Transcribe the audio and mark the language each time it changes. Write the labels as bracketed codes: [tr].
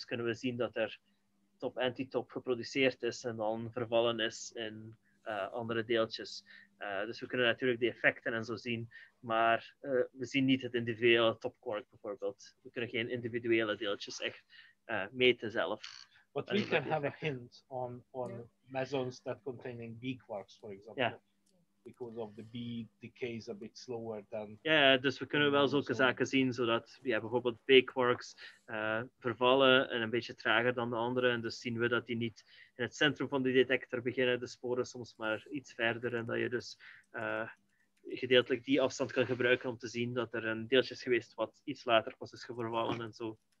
[nl] Dus kunnen we zien dat er top-antitop geproduceerd is en dan vervallen is in andere deeltjes. Dus we kunnen natuurlijk de effecten en zo zien. Maar we zien niet het individuele topquark bijvoorbeeld. We kunnen geen individuele deeltjes echt meten zelf. [en] But we can have a hint on mesons that containing B quarks, for example, because of the B decays a bit slower than. [nl] Yeah, dus we kunnen wel zulke zaken zien, zodat we bijvoorbeeld B quarks vervallen en een beetje trager dan de andere. En dus zien we dat die niet in het centrum van de detector beginnen, de sporen soms maar iets verder. En dat je dus gedeeltelijk die afstand kan gebruiken om te zien dat er een deeltje is geweest wat iets later pas is vervallen en zo.